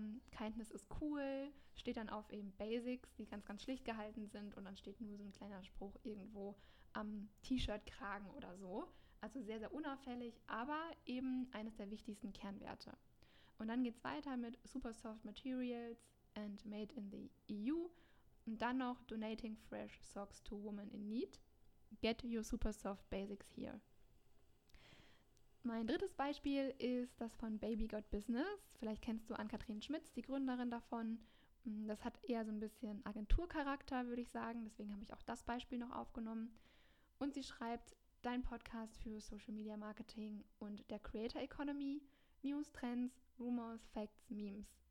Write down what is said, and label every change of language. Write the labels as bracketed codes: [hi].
[de] Kindness ist cool, steht dann auf eben Basics, die ganz, ganz schlicht gehalten sind und dann steht nur so ein kleiner Spruch irgendwo am T-Shirt-Kragen oder so. Also sehr, sehr unauffällig, aber eben eines der wichtigsten Kernwerte. Und dann geht's weiter mit [en] Super Soft Materials and Made in the EU [de] und dann noch [en] Donating Fresh Socks to Women in Need. Get your Super Soft Basics here. [de] Mein drittes Beispiel ist das von Baby Got Business. Vielleicht kennst du Ann-Kathrin Schmitz, die Gründerin davon. Das hat eher so ein bisschen Agenturcharakter, würde ich sagen. Deswegen habe ich auch das Beispiel noch aufgenommen. Und sie schreibt, dein Podcast für Social Media Marketing und der Creator Economy, [en] News, Trends, Rumors, Facts, Memes.